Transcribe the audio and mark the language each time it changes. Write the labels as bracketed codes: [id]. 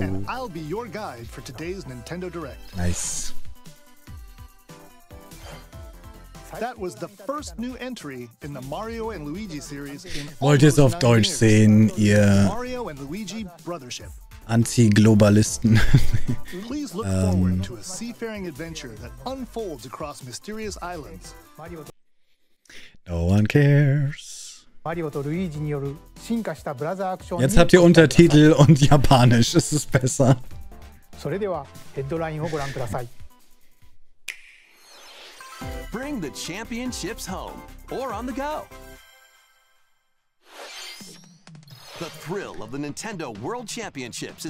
[en] And I'll be your guide for today's Nintendo Direct. Nice. That was the first new entry in the Mario and Luigi series in [de] Wollt ihr es auf Deutsch sehen, ihr [en] Mario and Luigi Brothership? [de] Anti-Globalisten. [en] Please look forward to a seafaring adventure that unfolds across mysterious islands. No one cares. [ja] Mario und Luigi による進化したブラザーアクション。 [de] Jetzt habt ihr Untertitel und Japanisch. Es ist besser. [ja] それではヘッドラインをご覧ください。 [en] Bring the championships home or on the go. The thrill of the Nintendo World Championships is